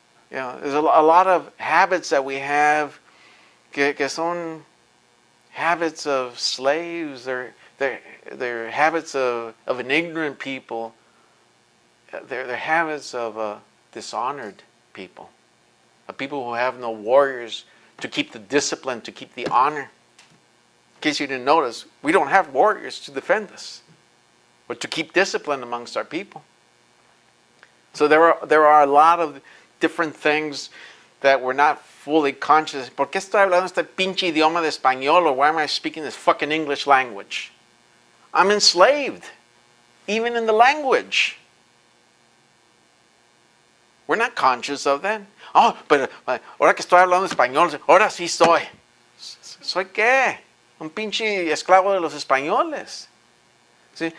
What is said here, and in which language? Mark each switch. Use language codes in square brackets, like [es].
[en] You know, there's a lot of habits that we have, [es] que son [en] habits of slaves, or they're habits of an ignorant people, they're habits of a dishonored people, a people who have no warriors to keep the discipline, to keep the honor. In case you didn't notice, we don't have warriors to defend us, but to keep discipline amongst our people. So there are a lot of different things that we're not fully conscious. [es] ¿Por qué estoy hablando este pinche idioma de español? [en] Or why am I speaking this fucking English language? I'm enslaved, even in the language. We're not conscious of that. Oh, but [es] ahora que estoy hablando español, ahora sí soy. ¿Soy qué? Un pinche esclavo de los españoles. [en] See?